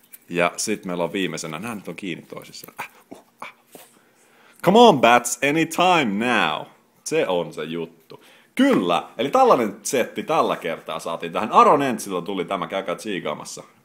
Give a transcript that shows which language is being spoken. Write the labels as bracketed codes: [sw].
[fi] Ja sitten meillä on viimeisenä. Nämä nyt on kiinni toisissaan. [en] Come on, bats, anytime now. [fi] Se on se juttu. Kyllä, eli tällainen setti tällä kertaa saatiin tähän. Aron Entsilta tuli tämä, käykää tsiigaamassa.